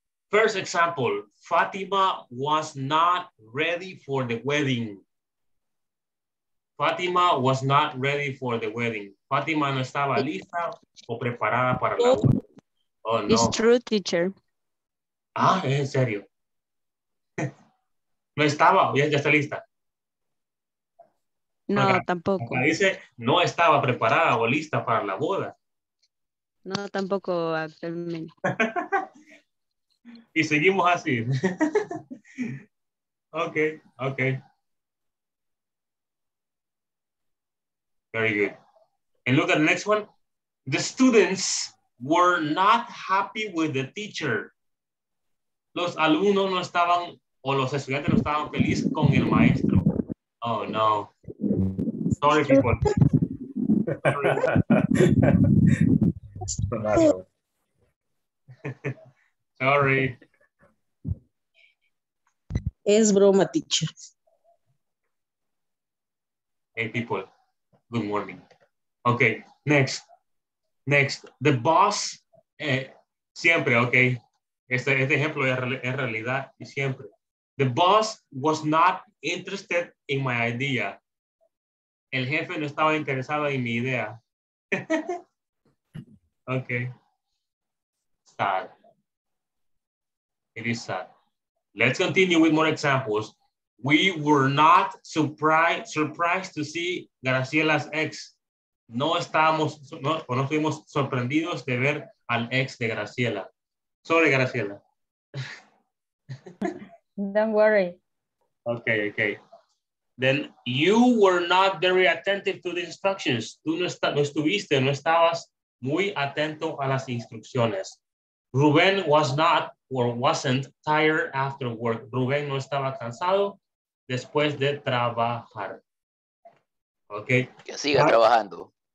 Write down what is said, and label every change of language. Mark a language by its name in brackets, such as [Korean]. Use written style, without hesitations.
[English] First example, Fatima was not ready for the wedding. Fatima was not ready for the wedding. [Spanish] Fatima no estaba lista o preparada para la boda. [English] Oh, no. It's true, teacher. [Spanish] Ah, ¿en serio? No estaba, ya está lista. No, acá, tampoco. Acá dice, no estaba preparada o lista para la boda. No, tampoco actualmente. Y seguimos así. [English] Ok, ok. Very good. And look at the next one. The students were not happy with the teacher. [Spanish] Los alumnos no estaban, o los estudiantes no estaban felices con el maestro. [English] Oh, no. Sorry, people. Sorry. [Spanish] Es broma, teacher. [English] Hey, people. Good morning. Okay, next. The boss, siempre, okay. [Spanish] Este ejemplo es realidad y siempre. [English] The boss was not interested in my idea. [Spanish] El jefe no estaba interesado en mi idea. [English] Okay. Sad. It is sad. Let's continue with more examples. We were not surprised to see Graciela's ex. [Spanish] No estábamos, no fuimos sorprendidos de ver al ex de Graciela. [English] Sorry, Graciela. Don't worry. Okay, okay. Then you were not very attentive to the instructions. [Spanish] Tú no estabas muy atento a las instrucciones. [English] Rubén wasn't tired after work. [Spanish] Rubén no estaba cansado después de trabajar. Ok. Que siga trabajando.